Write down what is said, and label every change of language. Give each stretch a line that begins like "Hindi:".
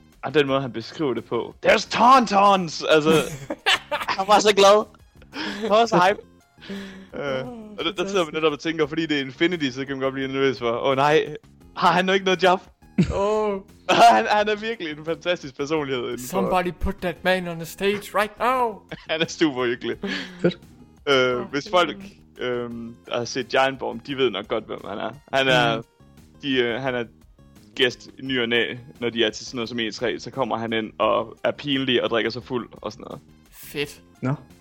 Danish: Og den måde, han beskriver det på.
English: There's tauntauns!
Danish: Altså, han var så glad. Han var så hype. Og der sidder man netop og tænker, fordi det er Infinity, så kan man godt blive nervøs for. Åh nej, har han nu ikke noget job? Oh. han er virkelig en fantastisk personlighed. Indenfor.
English: Somebody put that man on the stage right now!
Danish: Han er super hyggelig. Fedt. Hvis folk har set Giant Bomb, de ved nok godt, hvem han er. Han er, han er gæst i ny og næ, når de er til sådan noget som E3, så kommer han ind og er pinlig og drikker sig fuld og sådan noget. Fedt. Nå.